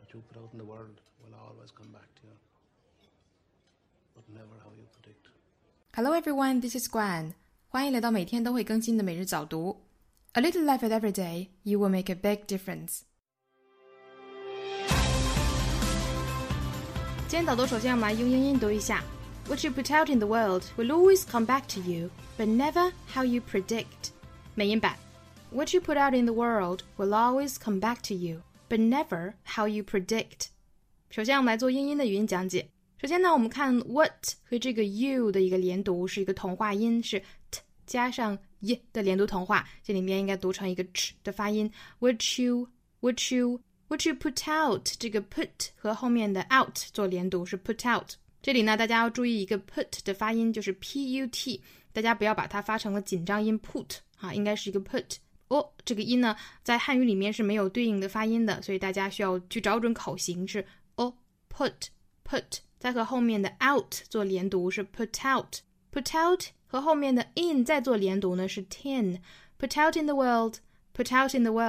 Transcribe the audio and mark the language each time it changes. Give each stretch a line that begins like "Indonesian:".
English: you put out in the world will always come back to you, but never how you predict. Hello everyone, this is Gwen.
Chinese: 欢迎来到每天都会更新的每日早读。
English: A little life at every day, you will make a big difference.
Chinese: 今天早读首先要来用英音读一下。
English: What you put out in the world will always come back to you, but never how you predict.
Chinese: 美音版。
English: What you put out in the world will always come back to you, but never how you predict.
Chinese: 首先我们来做英音的语音讲解。首先呢我们看 what 和这个 you 的一个连读是一个同化音，是 t 加上 y 的连读同化，这里面应该读成一个 ch 的发音。
English: What you
Chinese: put out, 这个 put 和后面的 out 做连读是 put out。这里呢大家要注意一个 put 的发音，就是 put, 大家不要把它发成了紧张音 put, 啊，应该是一个 put。哦，这个音呢在汉语里面是没有对应的发音的，所以大家需要去找准口型，是哦 put, 再和后面的 out 做连读是
English: put out, 和后面的 in 再做连读呢是 tin, put out in
Chinese: the world, put out in